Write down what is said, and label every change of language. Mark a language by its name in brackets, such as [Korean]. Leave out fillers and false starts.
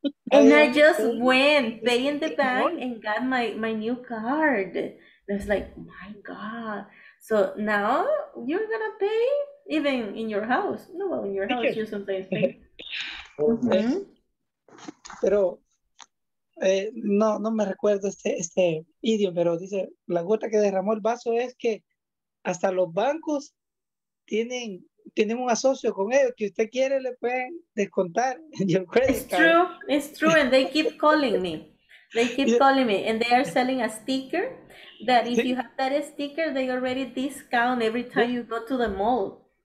[English] And I just went, paid in the bank and got my new card. And I was like, my God. So now you're going to pay even in your house. No, well, in your house, you sometimes pay. [Spanish] Pero... no me recuerdo este idioma, pero dice, la gota que derramó el vaso es que hasta los bancos tienen un asocio con ellos, que usted quiere, le pueden descontar. [English] It's true, and they keep calling me. They keep calling me, and they are selling a sticker, that if you have that sticker, they already discount every time you go to the mall.